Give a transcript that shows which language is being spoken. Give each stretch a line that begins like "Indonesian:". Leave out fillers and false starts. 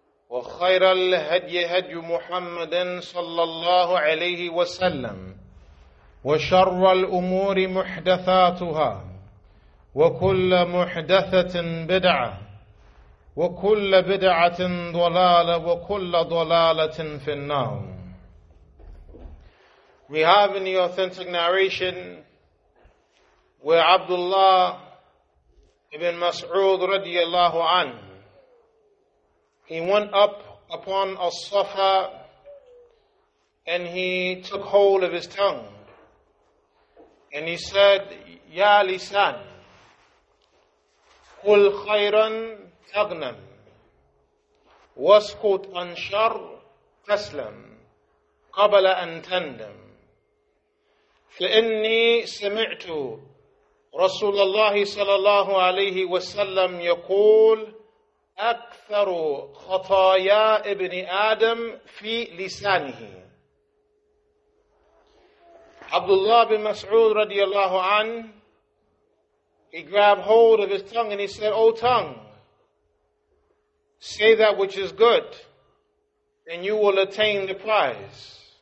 Arabic: وخير الهدي هدي محمد صلى الله عليه وسلم وشر الأمور محدثاتها وكل محدثة بدعة وكل بدعة ضلالة وكل ضلالة في النار.
English: We have in the authentic narration where Abdullah ibn Mas'ud radiyallahu anhu, he went up upon As-Safa and he took hold of his tongue and he said, Ya Lisan,
Arabic: Qul khayran tagnam, waskut an shar taslam, qabla an tandam. فإني سمعت رسول الله صلى الله عليه وسلم يقول أكثر خطايا ابن آدم في لسانه.
English: Abdullah bin Mas'ud radiallahu an, he grabbed hold of his tongue and he said, O tongue, say that which is good and you will attain the prize.